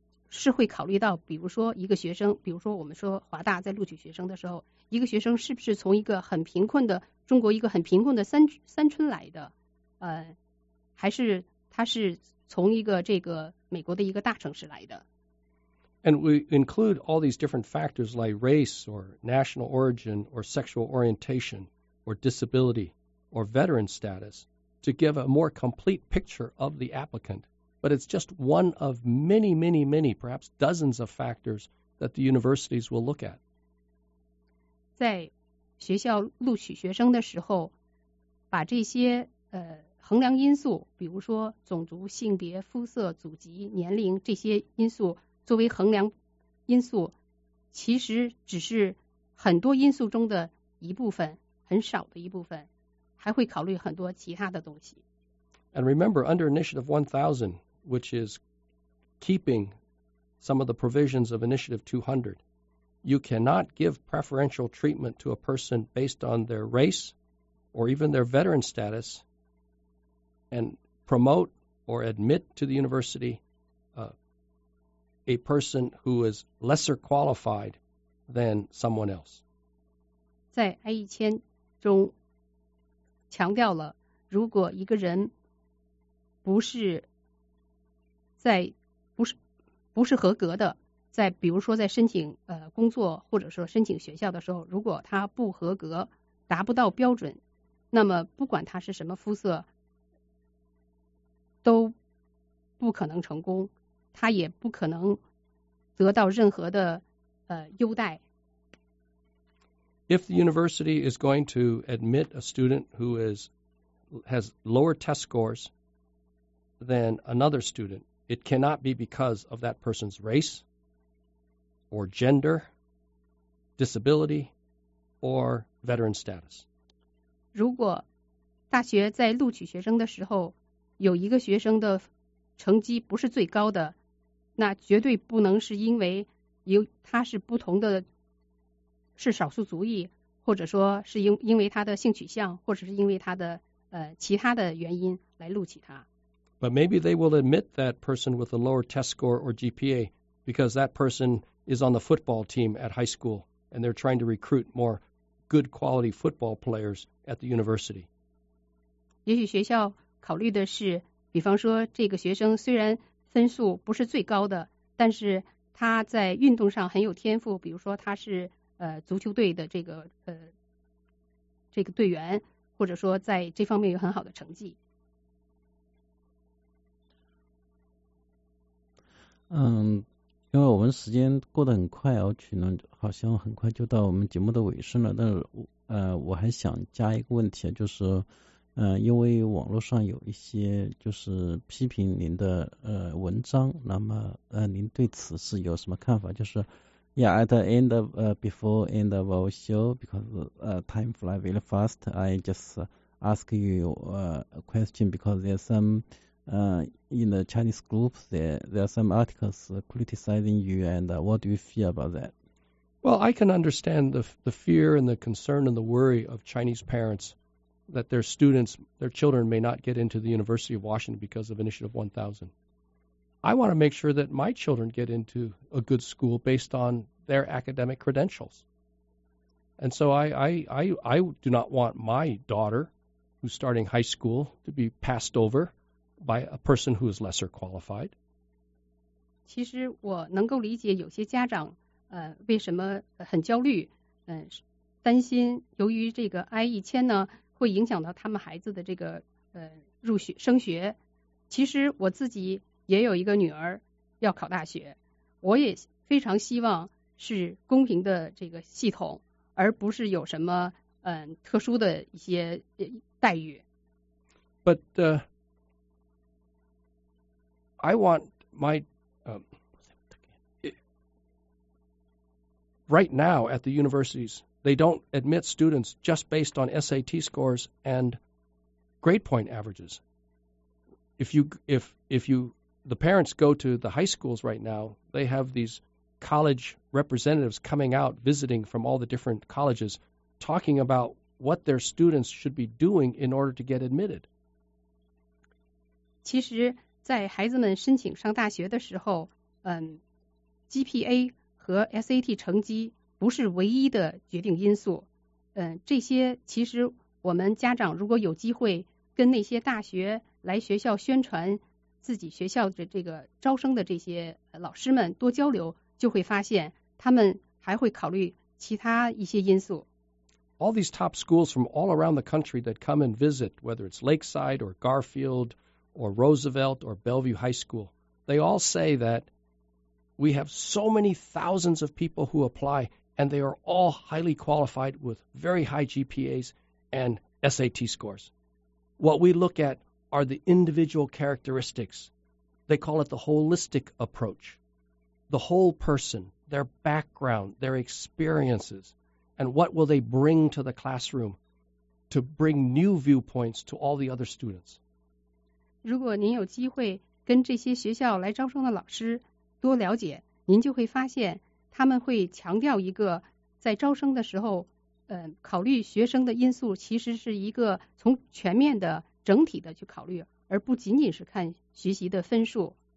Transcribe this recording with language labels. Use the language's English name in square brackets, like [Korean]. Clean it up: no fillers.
[Chinese] 是会考虑到，比如说一个学生，比如说我们说华大在录取学生的时候，一个学生是不是从一个很贫困的中国一个很贫困的三村来的，还是他是从一个这个美国的一个大城市来的。 [English] And we include all these different factors like race or national origin or sexual orientation or disability or veteran status to give a more complete picture of the applicant. But it's just one of many, many, many, perhaps dozens of factors that the universities will look at. [Chinese] 在学校录取学生的时候，把这些衡量因素，比如说种族、性别、肤色、祖籍、年龄这些因素作为衡量因素，其实只是很多因素中的一部分，很少的一部分，还会考虑很多其他的东西。 [English] And remember, under Initiative 1000, which is keeping some of the provisions of Initiative 200, you cannot give preferential treatment to a person based on their race or even their veteran status and promote or admit to the university a person who is lesser qualified than someone else. [Chinese] 在 I-1000 中强调了，如果一个人不是合格的，在比如说在申请工作或者说申请学校的时候，如果他不合格达不到标准，那么不管他是什么肤色都不可能成功，他也不可能得到任何的优待。 [English] If the university is going to admit a student who has lower test scores than another student, it cannot be because of that person's race or gender, disability, or veteran status. [Chinese] 如果大学在录取学生的时候，有一个学生的成绩不是最高的，那绝对不能是因为有他是不同的是少数族裔，或者说是因为他的性取向，或者是因为他的其他的原因来录取他。 [English] But maybe they will admit that person with a lower test score or GPA because that person is on the football team at high school and they're trying to recruit more good quality football players at the university. [Chinese] 也许学校考虑的是，比方说这个学生虽然分数不是最高的，但是他在运动上很有天赋，比如说他是足球队的这个队员，或者说在这方面有很好的成绩。因为我们时间过得很快，而且呢好像很快就到我们节目的尾声了，但是我还想加一个问题，就是因为网络上有一些就是批评您的文章，那么您对此是有什么看法？就是 [English] Yeah, at the end of before end of our show, because time fly very fast, I just ask you a question because there's some in the Chinese group there are some articles criticizing you, and what do you feel about that? Well, I can understand the fear and the concern and the worry of Chinese parents that their children may not get into the University of Washington because of Initiative 1000. I want to make sure that my children get into a good school based on their academic credentials. And so I do not want my daughter, who's starting high school, to be passed over by a person who is lesser qualified. [Chinese] 其实我能够理解有些家长为什么很焦虑，担心由于这个 IE1000 呢会影响到他们孩子的这个入学升学。其实我自己也有一个女儿要考大学，我也非常希望是公平的这个系统，而不是有什么特殊的一些待遇。 [English] But I want my right now at the universities, they don't admit students just based on SAT scores and grade point averages. If the parents go to the high schools right now, they have these college representatives coming out visiting from all the different colleges talking about what their students should be doing in order to get admitted. [Chinese] 其实在孩子们申请上大学的时候，GPA 和 SAT 成绩不是唯一的决定因素。这些其实我们家长如果有机会跟那些大学来学校宣传自己学校的这个招生的这些老师们多交流，就会发现他们还会考虑其他一些因素。 [English] All these top schools from all around the country that come and visit, whether it's Lakeside or Garfield,or Roosevelt or Bellevue High School, they all say that we have so many thousands of people who apply and they are all highly qualified with very high GPAs and SAT scores. What we look at are the individual characteristics. They call it the holistic approach. The whole person, their background, their experiences, and what will they bring to the classroom to bring new viewpoints to all the other students. [Chinese] 如果您有机会跟这些学校来招生的老师多了解，您就会发现他们会强调一个在招生的时候考虑学生的因素其实是一个从全面的整体的去考虑，而不仅仅是看学习的分数。